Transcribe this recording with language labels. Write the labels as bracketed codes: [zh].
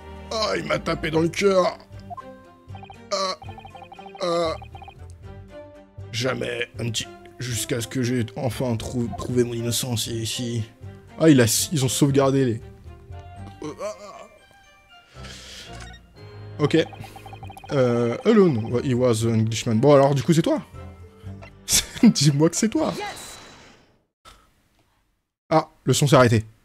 [fr] Oh, il m'a tapé dans le cœur. Jamais, jusqu'à ce que j'ai enfin trouvé mon innocence ici. Ah, ils ont sauvegardé les... Ok. [en] Alone, he was an Englishman. [fr] Bon, alors, du coup, c'est toi. Dis-moi que c'est toi. Ah, le son s'est arrêté.